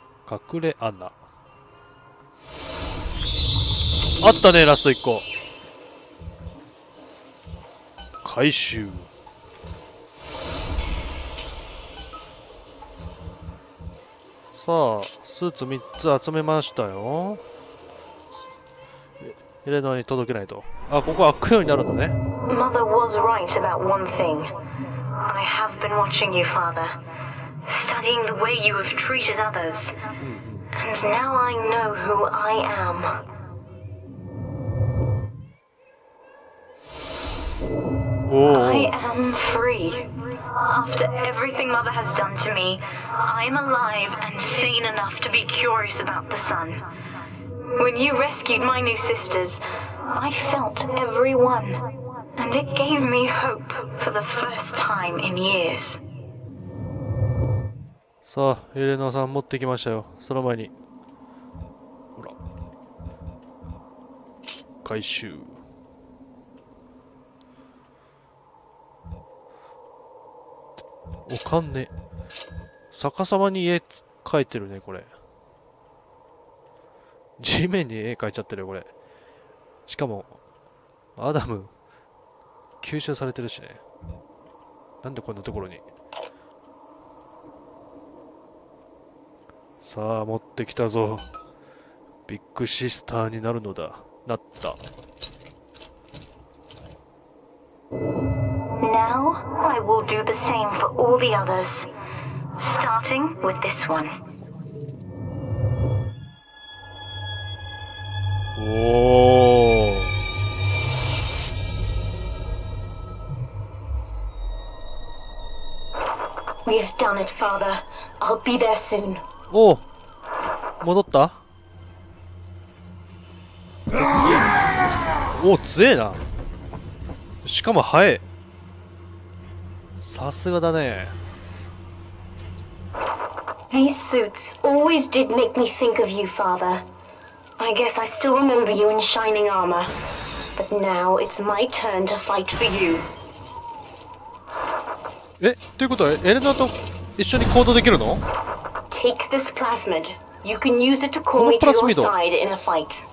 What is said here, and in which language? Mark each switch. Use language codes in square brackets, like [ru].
[ja] 隠れアナあったね。ラスト1個回収。さあスーツ3つ集めましたよ。エレノアに届けないと。あ、ここ開くようになるんだね。 [en] Mother was right about one thing. I have been watching you, father. Studying the way you have treated others. And now I know who I am. I am free. After everything Mother has done to me, I am alive and sane enough to be curious about the sun. When you rescued my new sisters, I felt every one, and it gave me hope for the first time in years. [ja] さあ、エレノアさん持ってきましたよ。その前に、ほら、回収。お金。逆さまに家描いてるね、これ。地面に絵描いちゃってるよこれ。しかもアダム吸収されてるしね。なんでこんなところに。さあ持ってきたぞ。ビッグシスターになるのだ。なった。 [en] Now I will do the same for all the others, starting with this one. [ja] おお、 [en] We've done it, father. I'll be there soon. [ja] おお、戻った。おお、強えな。しかも早え。さすがだね。 [en] These suits always did make me think of you, father. I guess I still remember you in shining armor. But now it's my turn to fight for you. [ja] え、ということはエレナと一緒に行動できるの？ [en] Take this plasmid. You can use it to call me to your side in a fight.